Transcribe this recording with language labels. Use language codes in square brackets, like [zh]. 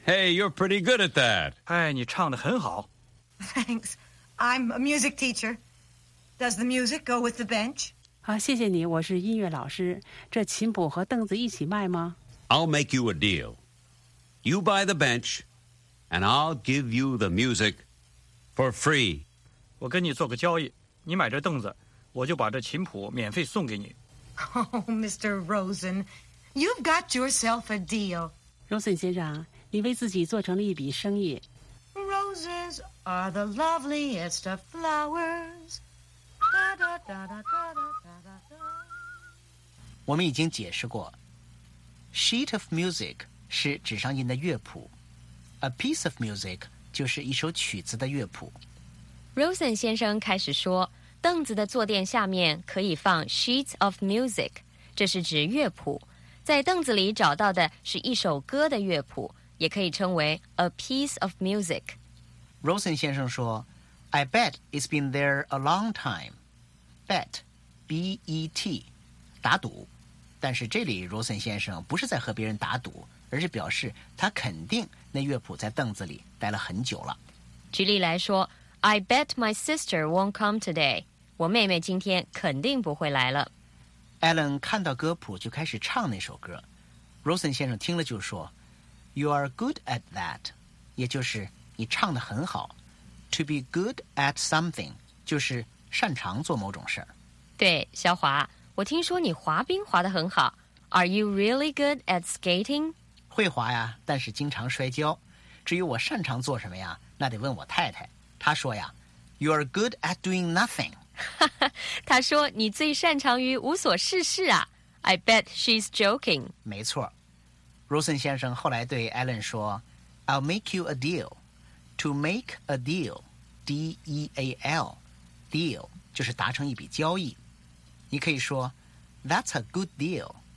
[en] Hey, you're pretty good at that. [zh] 哎，你唱得很好。 [en] Thanks. I'm a music teacher. Does the music go with the bench? [zh] 好，谢谢你，我是音乐老师。这琴谱和凳子一起卖吗？ [en] I'll make you a deal. You buy the bench, and I'll give you the music for free. [zh] 我跟你做个交易，你买这凳子，我就把这琴谱免费送给你。 [en] Oh, Mr. Rosen, you've got yourself a deal. [zh] Rosen 先生，你为自己做成了一笔生意。 [en] Roses are the loveliest of flowers. Da, da, da, da, da, da, da, da. [zh] 我们已经解释过 ， [en] sheet of music [zh] 是纸上印的乐谱 ， [en] a piece of music [zh] 就是一首曲子的乐谱。 Rosen 先生开始说，凳子的坐垫下面可以放 [en] sheets of music， [zh] 这是指乐谱。在凳子里找到的是一首歌的乐谱，也可以称为 [en] a piece of music。 Rosen [zh] 先生说 [en] ，I bet it's been there a long time. Bet, B-E-T， [zh] 打赌。但是这里 Rosen 先生不是在和别人打赌，而是表示他肯定那乐谱在凳子里待了很久了。举例来说。 [en] I bet my sister won't come today. [zh] 我妹妹今天肯定不会来了。 Alan 看到歌谱就开始唱那首歌。 Rosen 先生听了就说 [en] You are good at that. [zh] 也就是你唱得很好。 [en] To be good at something [zh] 就是擅长做某种事。对，小华，我听说你滑冰滑得很好。 [en] Are you really good at skating? [zh] 会滑呀，但是经常摔跤。至于我擅长做什么呀，那得问我太太。他说呀 [en] You are good at doing nothing. [zh] 他说你最擅长于无所事事啊。 [en] I bet she's joking. [zh] 没错。 Rosen 先生后来对 Alan 说 [en] I'll make you a deal. To make a deal, D-E-A-L, deal, [zh] 就是达成一笔交易。你可以说 [en] That's a good deal.